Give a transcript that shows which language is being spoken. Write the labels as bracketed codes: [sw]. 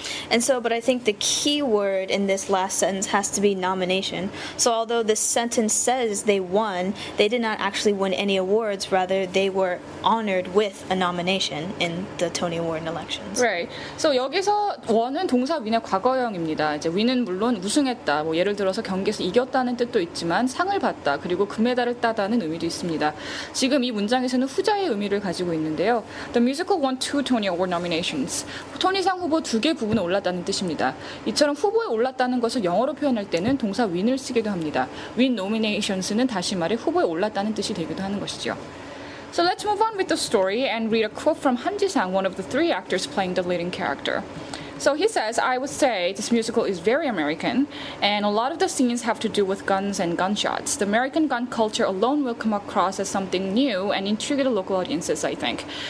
[en] And so, but I think the key word in this last sentence has to be nomination. So although this sentence says they won, they did not actually win any awards. Rather, they were honored with a nomination in the Tony Award elections. Right. So [ko] 여기서 won은 동사 win의 과거형입니다. 이제 win은 물론 우승했다, 뭐 예를 들어서 경기에서 이겼다는 뜻도 있지만 상을 받다, 그리고 금메달을 따다는 의미도 있습니다. 지금 이 문장에서는 후자의 의미를 가지고 있는데요. [en] The musical won two Tony Award nominations. [ko] 토니상 후보 두 개 부분에 올랐다는 뜻입니다. 이처럼 후보에 올랐다는 것을 영어로 표현할 때는 동사 win을 쓰기도 합니다. [en] win nominations [ko] 는 다시 말해 후보에 올랐다는 뜻이 되기도 하는 것이죠. [en] So let's move on with the story and read a quote from Han Ji-sung, one of the three actors playing the leading character. So he says, I would say this musical is very American, and a lot of the scenes have to do with guns and gunshots. The American gun culture alone will come across as something new and intrigue the local audiences, I think.